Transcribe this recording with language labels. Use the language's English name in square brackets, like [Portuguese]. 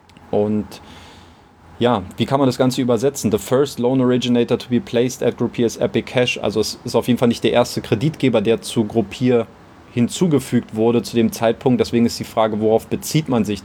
[German] Und ja, wie kann man das Ganze übersetzen? [English] The first loan originator to be placed at Groupier is Epic Cash. [German] Also es ist auf jeden Fall nicht der erste Kreditgeber, der zu Groupier hinzugefügt wurde zu dem Zeitpunkt. Deswegen ist die Frage, worauf bezieht man sich?